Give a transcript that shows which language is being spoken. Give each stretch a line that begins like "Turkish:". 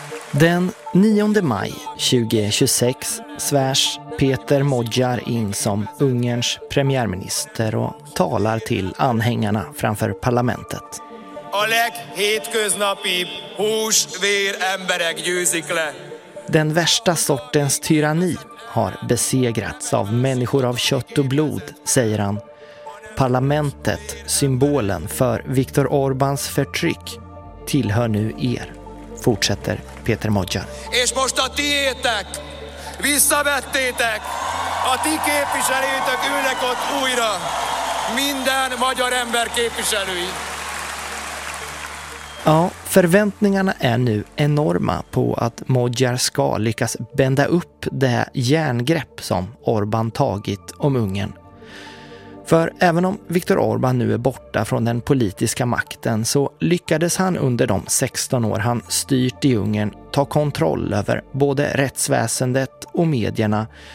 Swedish: Den 9 maj 2026 svärs Peter Modjar in som Ungerns premiärminister och talar till anhängarna framför parlamentet.
Hungarian: A leghétköznapi húsvér emberek győzik le.
Swedish: Den värsta sortens tyranni har besegrats av människor av kött och blod, säger han. Parlamentet, symbolen för Viktor Orbáns förtryck, tillhör nu er. Fortsätter Peter Modjar.
Hungarian: És most a tiétek, visszavettétek, a ti képviselőtök ülnek ott újra, minden magyar ember képviselői.
Swedish: Ja, förväntningarna är nu enorma på att Modjar ska lyckas bända upp det järngrepp som Orbán tagit om Ungern. För även om Viktor Orbán nu är borta från den politiska makten så lyckades han under de 16 år han styrt i Ungern ta kontroll över både rättsväsendet och medierna